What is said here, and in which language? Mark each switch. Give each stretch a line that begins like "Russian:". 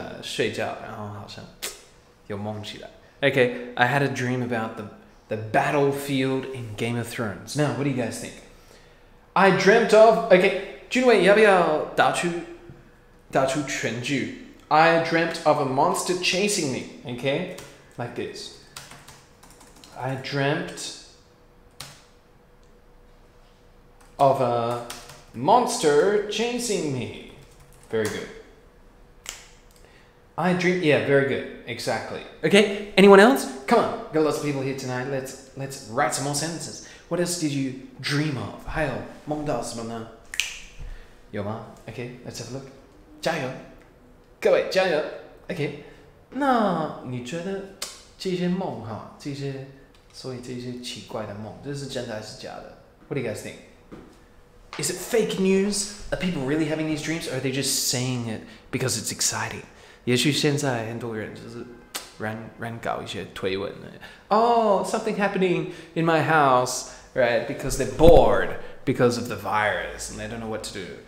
Chinese: 看完一集了，睡觉，然后好像有梦起来。
English: Okay, I had a dream about the battlefield in Game of Thrones. Now, what do you guys think? I dreamt of... Okay, Junwei,
Chinese: 要不要打出全句?
English: I dreamt of a monster chasing me. Okay, like this. I dreamt of a monster chasing me. Very good. I dream, yeah, very good, exactly. Okay, anyone else? Come on, got lots of people here tonight. Let's write some more sentences. What else did you dream of?
Chinese: 还有梦到什么呢?有吗?
English: Okay, let's have a look.
Chinese: 加油,各位,加油! Okay, 那你觉得这些梦,这些奇怪的梦,这是真的还是假的?
English: What do you guys think? Is it fake news? Are people really having these dreams? Or are they just saying it because it's exciting?
Chinese: 也许现在很多人就是乱搞一些推文
English: Oh, something happening in my house, right? Because they're bored because of the virus and they don't know what to do.